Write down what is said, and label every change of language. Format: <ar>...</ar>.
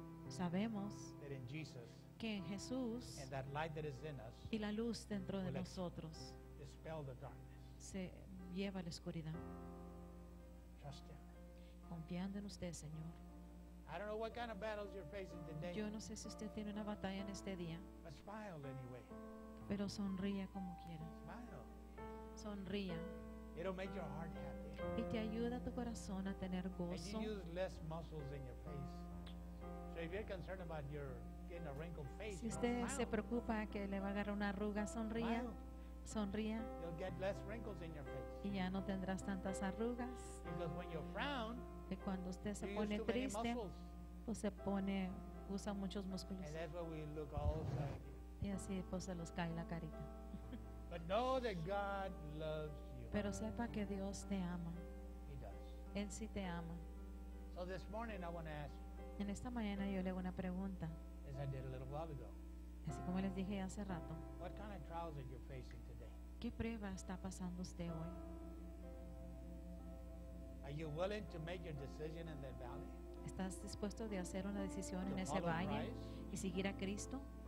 <es>Sabemos.</es> <en>That in Jesus.</en> <es>Que en Jesús.</es> <en>And that light that is in us.</en> <es>Y la luz dentro de nosotros.</es> <en>Dispel the darkness.</en> <es>Se lleva la oscuridad.</es> <en>Trust him.</en> <es>Confiando en usted, Señor.</es> <en>I don't know what kind of battles you're facing today.</en> <es>Yo no sé si usted tiene una batalla en este día.</es> <en>But smile anyway.</en> <es>Pero sonría como quiera.</es> <en>Smile.</en> <es>Sonría.</es> <en>It'll make your heart happy.</en> <es>Y te ayuda tu corazón a tener gozo.</es> <en>And you use less muscles in your face. So if you're concerned about your getting a wrinkled face,</en> <es>si usted</es> <en>smile.</en> <es>Se preocupa que le va a agarrar una arruga, sonría.</es> <en>Smile.</en> <es>Sonría.</es> <en>You'll get less wrinkles in your face.</en> <es>Y ya no tendrás tantas arrugas.</es> <en>Because when you frown.</en> <es>Que cuando usted se pone triste, pues se pone, usa muchos músculos.</es> <en>And that's what we look all</en> <es>y así pues se los cae la carita.</es> <en>But know that God loves you.</en> <es>Pero sepa que Dios te ama.</es> <en>He does.</en> <es>Él sí te ama.</es> <en>So this morning I want to ask you,</en> <es>en esta mañana yo le hago una pregunta.</es> <en>As I did a little while ago,</en> <es>así como les dije hace rato.</es> <en>What kind of trials are you facing today?</en> <es>¿Qué prueba está pasando usted hoy?</es> <en>Are you willing to make your decision in that valley?</en> <es>¿Estás dispuesto de hacer una decisión en ese valle y seguir a Cristo?</es>